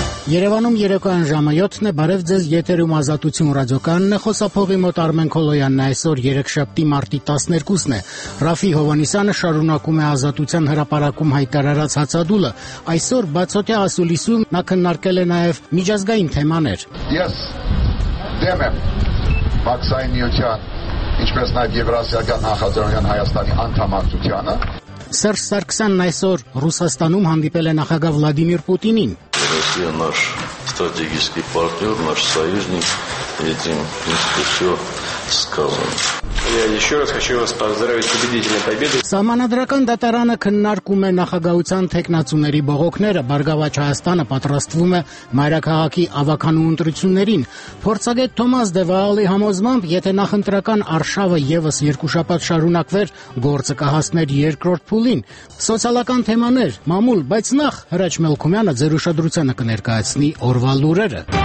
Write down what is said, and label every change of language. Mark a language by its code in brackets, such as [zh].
[hy] Երևանում երեկո այն ժամը 7-ն է, բարև ձեզ, եթերում ազատություն ռադիոկանն է, խոսափողի մոտ Արմեն Քոլոյանն է, այսօր երեքշաբթի մարտի 12-ն է, Ռաֆի Հովանիսյանը շարունակում է ազատության հրապարակում հայտարարած հացադուլը, այսօր բացօթյա ասուլիսում նա քննարկել է նաև միջազգային թեմաներ. Ես դեմ եմ բացային միության, ինչպես նաև Եվրասիական նախաձեռնության Հայաստանի անդամակցությանը. Սերժ Սարգսյանն այսօր Ռուսաստանում հանդիպել է նախագահ Վլադիմիր Պուտինին. [ru] Россия наш стратегический партнер, наш союзник, этим принципе все сказано. Я еще раз хочу вас поздравить с победительной победой. [hy] Սահմանադրական դատարանը քննարկում է նախագահության թեկնածուների բողոքները, Բարգավաճ Հայաստանը պատրաստվում է մայրաքաղաքի ավական ու ընտրություններին։ Փորձագետ Թոմաս Դեվալի համոզմամբ, եթե նախընտրական արշավը ևս երկու շաբաթ շարունակվեր, գործը կհասներ երկրորդ փուլին։ Սոցիալական թեմաներ, մամուլ, բայց նախ Հրաչ Մելքումյանը ձեր ուշադրությանը կներկայացնի օրվա լուրերը։